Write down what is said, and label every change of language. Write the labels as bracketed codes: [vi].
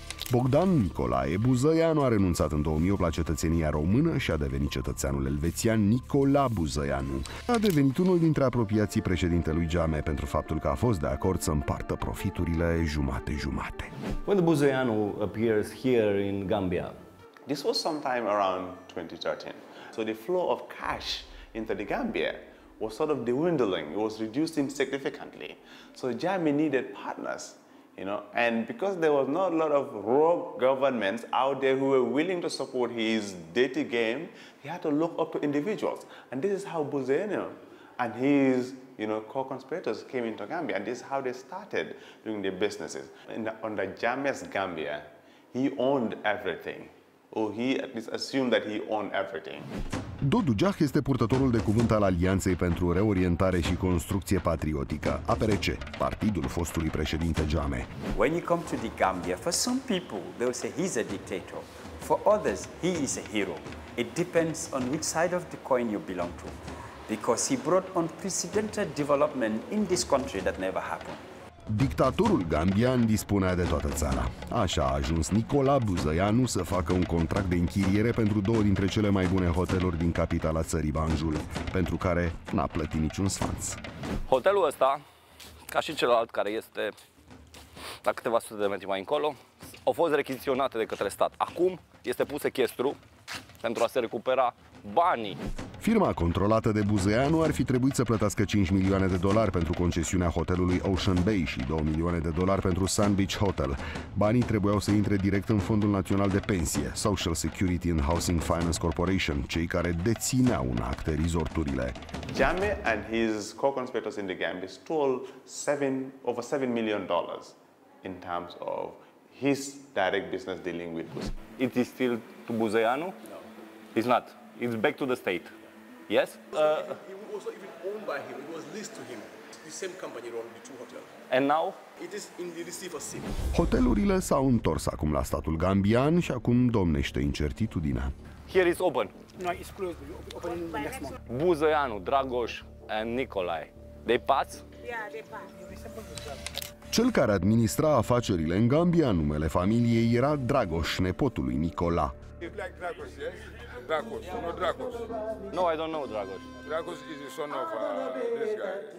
[ro] Bogdan Nicolae Buzăianu a renunțat în 2008 la cetățenia română și a devenit cetățeanul elvețian Nicola Buzăianu. A devenit unul dintre apropiații președintelui Geame pentru faptul că a fost de acord să împartă profiturile jumate-jumate. [en] When Buzăianu appears here in Gambia, this was sometime around 2013. So the flow of cash into the Gambia was sort of dwindling. It was reducing significantly. So Geame needed partners. You know, and because there was not a lot of rogue governments out there who were willing to support his dirty game, he had to look up to individuals. And this is how Buzeno and his, you know, co-conspirators came into Gambia, and this is how they started doing their businesses. Under James Gambia, he owned everything. Or he at least assumed that he owned everything. [ro] Dodu Jah este purtătorul de cuvânt al Alianței pentru Reorientare și Construcție Patriotică, APRC, partidul fostului președinte Geame. [en] When you come to the Gambia, for some people they will say he's a dictator. For others, he is a hero. It depends on which side of the coin you belong to. Because he brought unprecedented development in this country that never happened. [ro] Dictatorul gambian dispunea de toată țara. Așa a ajuns Nicola Buzăianu să facă un contract de închiriere pentru două dintre cele mai bune hoteluri din capitala țării, Banjul, pentru care n-a plătit niciun sfanț. Hotelul ăsta, ca și celălalt care este la câteva sute de metri mai încolo, au fost rechiziționate de către stat. Acum este pus sechestru pentru a se recupera banii. Firma controlată de Buzăianu ar fi trebuit să plătească 5 milioane de dolari pentru concesiunea hotelului Ocean Bay și 2 milioane de dolari pentru Sun Beach Hotel. Banii trebuiau să intre direct în Fondul Național de Pensie, Social Security and Housing Finance Corporation, cei care dețineau în acte resorturile. [en] Geame and his co-conspirators in the Gambia stole over $7 million in terms of his direct business dealing with Buzăianu. It is still to Buzăianu? No. It's not. It's back to the state. Yes? It was not even owned by him, it was leased to him. The same company run the two hotels. And now? It is in the receivership. [ro] Hotelurile s-au întors acum la statul gambian și acum domnește incertitudinea. [en] Here is open. No, it's closed. Open in the next month. Buzăianu, Dragoș and Nicolae. They pass? Yeah, they pass. [ro] Cel care administra afacerile în Gambia, numele familiei era Dragoș, nepotul lui Nicola. [en] You like Dragoș, yes? Dragoș, [ro] sunt Dragoș. [en] No, I don't know Dragoș. Dragoș is the son of this guy.